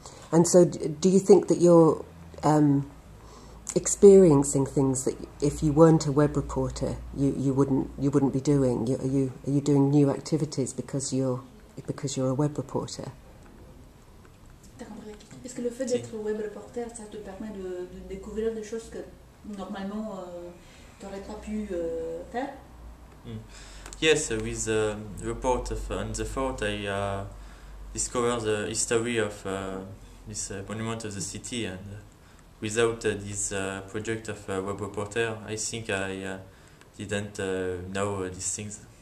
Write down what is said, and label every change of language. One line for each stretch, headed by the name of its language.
English: And so do you think that you're experiencing things that if you weren't a web reporter you wouldn't be doing? Are you doing new activities because you're a web reporter?
French: Est-ce que le fait d'être web reporter ça te permet de découvrir des choses que normalement tu n'aurais pas pu faire?
English: Yes, with the report of on the fort, I discovered the history of this monument of the city, and without this project of web reporter, I think I didn't know these things.